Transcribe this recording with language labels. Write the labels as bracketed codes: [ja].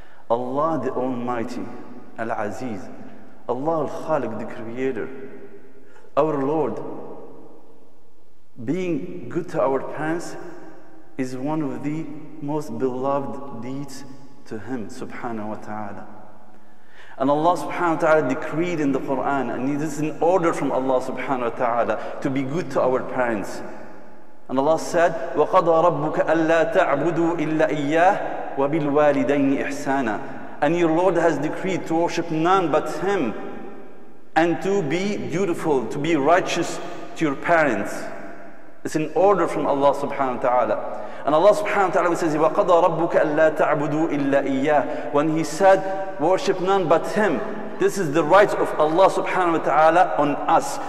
[en] Allah the Almighty, Al-Aziz, Allah Al-Khaliq, the Creator, our Lord, being good to our parents is one of the most beloved deeds to Him subhanahu wa ta'ala. And Allah subhanahu wa ta'ala decreed in the Quran, and this is an order from Allah subhanahu wa ta'ala to be good to our parents. And Allah said, [ar] وَقَضَى رَبُّكَ أَلَّا تَعْبُدُوا إِلَّا إِيَّاهِ وَبِالْوَالِدَيْنِ إِحْسَانًا. [en] And your Lord has decreed to worship none but Him and to be dutiful, to be righteous to your parents. It's an order from Allah subhanahu wa ta'ala. And Allah subhanahu wa ta'ala says, [ar] وَقَضَى رَبُّكَ أَلَّا تَعْبُدُوا إِلَّا إِيَّاهِ. [en] When He said, worship none but Him, this is the right of Allah subhanahu wa ta'ala on us.